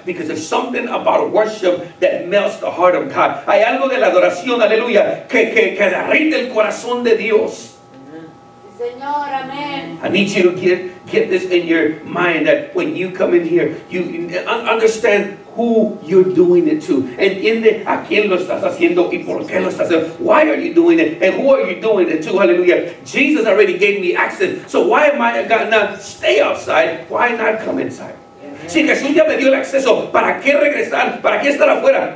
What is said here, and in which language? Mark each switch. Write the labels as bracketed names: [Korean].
[English] Because there's something about worship that melts the heart of God. [Spanish] Hay algo de la adoración, aleluya, que derrite el corazón de Dios. Señor, amen. [English] I need you to get this in your mind that when you come in here, you understand who you're doing it to. [Spanish] Entiende a quién lo estás haciendo y por qué lo estás haciendo. [English] Why are you doing it? And who are you doing it to? Hallelujah. Jesus already gave me access. So why am I going to stay outside? Why not come inside? [Spanish] Si Jesús ya me dio el acceso, ¿para qué regresar? ¿Para qué estar afuera?